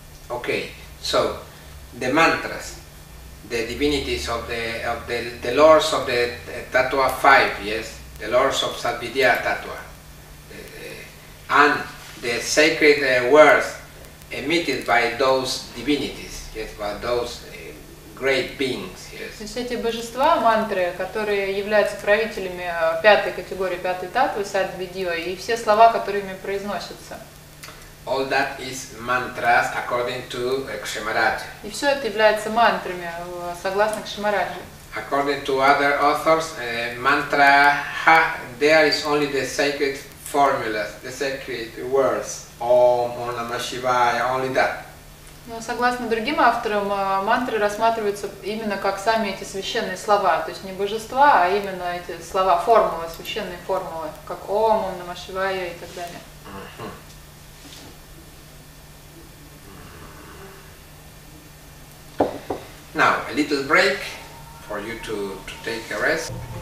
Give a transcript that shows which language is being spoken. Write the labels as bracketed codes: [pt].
[en] Okay, so the mantras, the divinities of the lords of the Tattva 5, yes, the lords of Sadvidya Tattva, and the sacred words emitted by those divinities, yes, by those great beings, yes. [ru] То есть эти божества, мантры, которые являются правителями пятой категории, пятой таттвы, садвидио, и все слова, которыми произносятся. [en] All that is mantras according to Кшемараджа. [ru] И все это является мантрами, согласно Кшемараджа. [en] According to other authors, mantra, ha, there is only the sacred formulas, the sacred words, Om, Om Namah Shivaya, only that. [ru] Но согласно другим авторам, мантры рассматриваются именно как сами эти священные слова, то есть не божества, а именно эти слова, формулы, священные формулы, как Ом, Ом Намах Шивая и так далее. [en] Now, a little break for you to take a rest.